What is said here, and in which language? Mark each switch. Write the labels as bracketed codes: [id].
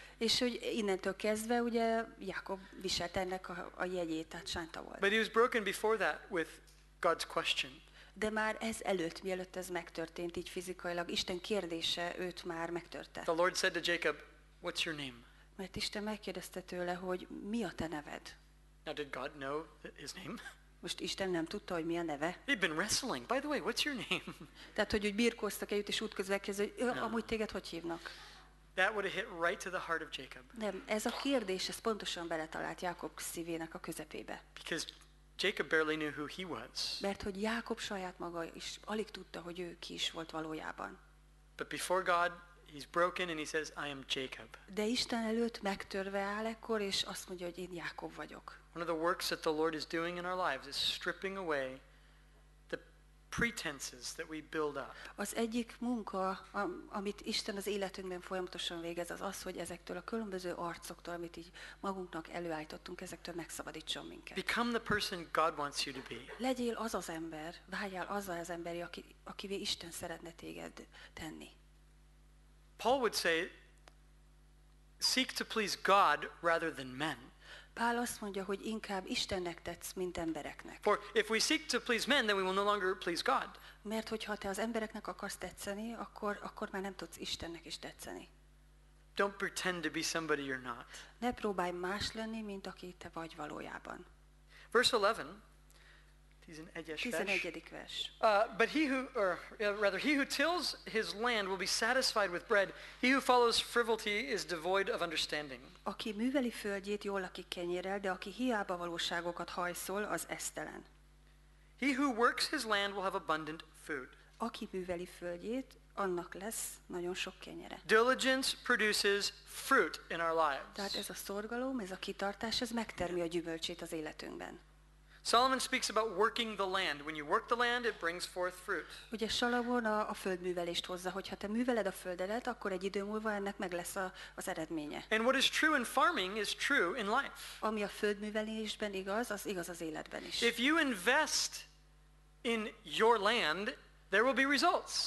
[hu] És hogy innentől kezdve ugye Jákob viselte ennek a jegyét, tehát sánta volt. [en] But he was broken before that with God's question. [hu] De már ez előtt, mielőtt ez megtörtént, így fizikailag Isten kérdése őt már megtörte. [en] The Lord said to Jacob, "What's your name?" [hu] Mert Isten megkérdezte tőle, hogy mi a te neved? [en] Now did God know his name? [hu] Most Isten nem tudta, hogy mi a neve. [en] They've been wrestling. By the way, what's your name? [hu] Tehát hogy birkóztak együtt és útközben kezdve, hogy amúgy téged hogy hívnak? [en] That would have hit right to the heart of Jacob. [hu] Nem, ez a kérdés, ez pontosan beletalált Jákob szívének a közepébe. [en] Because Jacob barely knew who he was. [hu] Mert hogy Jákob saját maga is alig tudta, hogy ő ki is volt valójában. [en] But before God, he's broken and he says, "I am Jacob." [hu] De Isten előtt megtörve áll ekkor, és azt mondja, hogy én Jákob vagyok. [en] One of the works that the Lord is doing in our lives is stripping away the pretenses that we build up. [hu] Az egyik munka, amit Isten az életünkben folyamatosan végez, az az, hogy ezektől a különböző arcoktól, amit így magunknak előállítottunk, ezektől megszabadítson minket. [en] Become the person God wants you to be. [hu] Legyél az az ember, váljál azzal az emberi, akivé Isten szeretne téged tenni. [en] Paul would say, seek to please God rather than men. [hu] Pál azt mondja, hogy inkább Istennek tetsz, mint embereknek. [en] For if we seek to please men, then we will no longer please God. [hu] Mert hogyha te az embereknek akarsz tetszeni, akkor már nem tudsz Istennek is tetszeni. [en] Don't pretend to be somebody you're not. [hu] Ne próbálj más lenni, mint aki te vagy valójában. [en] Verse 11. 11. [hu] vers. [en] But he who tills his land will be satisfied with bread. He who follows frivolity is devoid of understanding. [hu] Aki műveli földjét, jól lakik kenyérrel, de aki hiába valóságokat hajszol, az esztelen. [en] He who works his land will have abundant food. [hu] Aki műveli földjét, annak lesz nagyon sok kenyere. [en] Diligence produces fruit in our lives. [hu] Tehát ez a szorgalom, ez a kitartás, ez megtermi a gyümölcsét az életünkben. [en] Solomon speaks about working the land. When you work the land, it brings forth fruit. [hu] Ugye Salomon a földművelést hozza, hogy ha te műveled a földedet, akkor egy idő múlva ennek meg lesz az eredménye. [en] And what is true in farming is true in life. [hu] Ami a földművelésben igaz, az igaz az életben is. [en] If you invest in your land, there will be results.